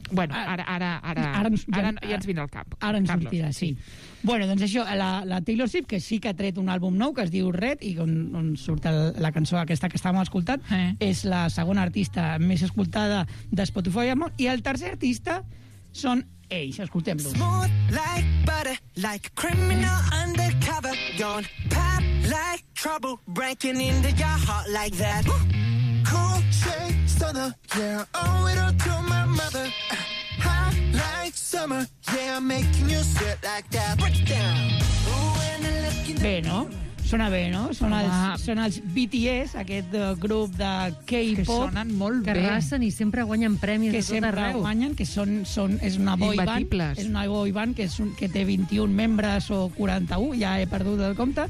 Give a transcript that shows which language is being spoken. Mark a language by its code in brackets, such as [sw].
[ca] Ara ens vindrà al cap. Ara ens sortirà, sí. Bueno, doncs això, la Taylor Swift, que sí que ha tret un àlbum nou, que es diu Red, i on surt la cançó aquesta que estàvem escoltant, és la segona artista més escoltada de Spotify, i el tercer artista són ells. Escoltem-los. [en] Smooth like butter, like criminal undercover. Don't pop like trouble, breaking into your heart like that. Cool shake. Yeah, owe it all to my mother. Hot like summer. Yeah, I'm making you sweat like that. Break it down. [ca] Bé, no? Sona bé, no? Són els BTS, aquest grup de K-pop. Que sonen molt bé. Que arrasen i sempre guanyen premis de tot arreu. Que sempre guanyen, que són... És una boy band. És una boy band que té 21 membres o 41, ja he perdut el compte.